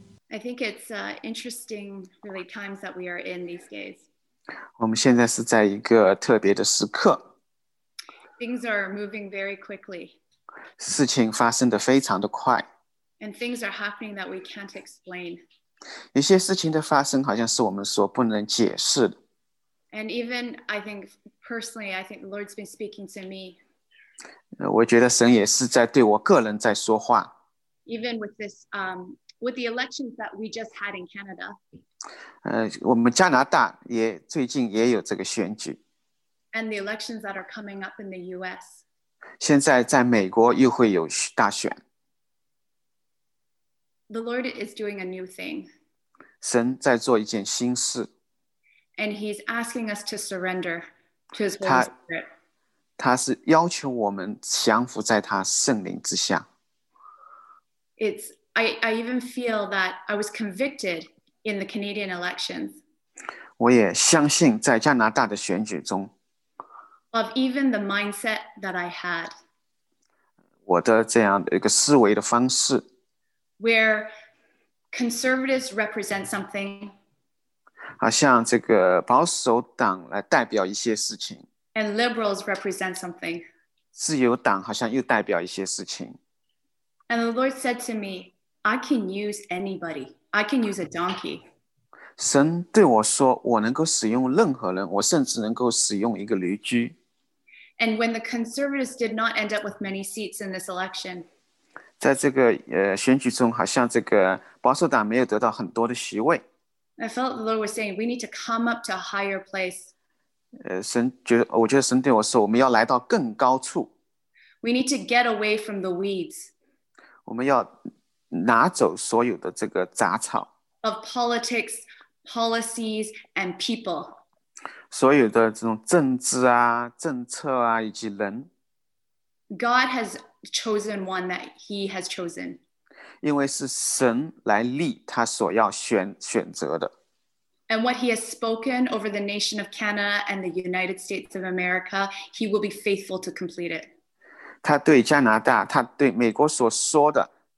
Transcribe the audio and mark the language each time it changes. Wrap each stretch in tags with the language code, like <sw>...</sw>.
<en>I think it's interesting, really, times that we are in these days.</en> <zh>我们现在是在一个特别的时刻。</zh> <en>Things are moving very quickly.</en> <zh>事情发生得非常的快。</zh> <en>And things are happening that we can't explain.</en> <zh>一些事情的发生好像是我们所不能解释的。</zh> <en>And even, I think, personally, I think the Lord's been speaking to me.</en> <zh>我觉得神也是在对我个人在说话。</zh> <en>Even with this... with the elections that we just had in Canada.</en> <zh>我们加拿大也最近也有这个选举。</zh> <en>And the elections that are coming up in the US.</en> <zh>现在在美国又会有大选。</zh> <en>The Lord is doing a new thing.</en> <zh>神在做一件新事。</zh> <en>And he's asking us to surrender to his Holy Spirit.</en> <zh>他是要求我们降服在他圣灵之下。</zh> <en>I even feel that I was convicted in the Canadian elections.</en> <zh>我也相信在加拿大的选举中。</zh> <en>Of even the mindset that I had.</en> <zh>我的这样一个思维的方式。</zh> <en>Where conservatives represent something.</en> <zh>好像这个保守党来代表一些事情。</zh> <en>And liberals represent something.</en> <zh>自由党好像又代表一些事情。</zh> <en>And the Lord said to me,I can use anybody. I can use a donkey.</en> <zh>神对我说，我能够使用任何人，我甚至能够使用一个驴驹。</zh> <en>And when the conservatives did not end up with many seats in this election,</en> <zh>在这个选举中，好像这个保守党没有得到很多的席位。</zh> <en>I felt the Lord was saying, we need to come up to a higher place.</en> <zh>我觉得神对我说，我们要来到更高处。</zh> <en>We need to get away from the weeds.</en> <zh>我们要拿走所有的这个杂草</zh> <en>of politics, policies, and people.</en> <zh>所有的这种政治啊、政策啊以及人。</zh> <en>God has chosen one that He has chosen.</en> <zh>因为是神来立他所要选择的。</zh> <en>And what He has spoken over the nation of Canada and the United States of America, He will be faithful to complete it.</en> <zh>他对加拿大，他对美国所说的。</zh>